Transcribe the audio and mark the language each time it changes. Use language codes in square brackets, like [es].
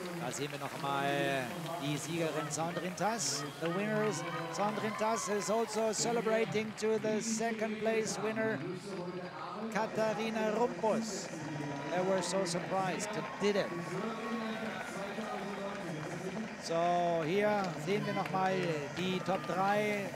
[de] Sehen wir noch mal die Siegerin Sandrine Tass. [en] The winner Sandrine Tass is also celebrating to the second place winner Katharina Rumpus. They were so surprised, did it. [de] So, hier sehen wir noch mal die Top 3.